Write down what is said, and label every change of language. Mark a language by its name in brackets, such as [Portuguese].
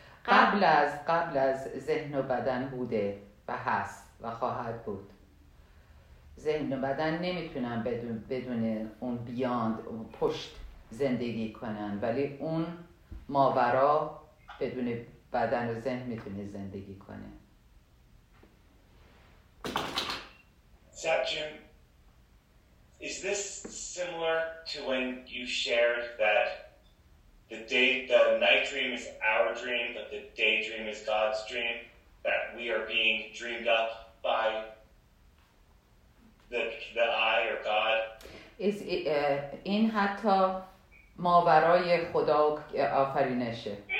[Persian] قبل از ذهن و بدن بوده و هست و خواهد بود. ذهن و بدن نمیتونن بدون اون بیاند پشت زندگی کنن، ولی اون ماورا بدون بدن و ذهن میتونه زندگی کنه. [English] Sachin, is this similar to when you shared that the night dream is our dream, but the daydream is God's dream, that we are being dreamed up by the I or God? [Persian] Is in hatta ماورای خدا و آفرینشه.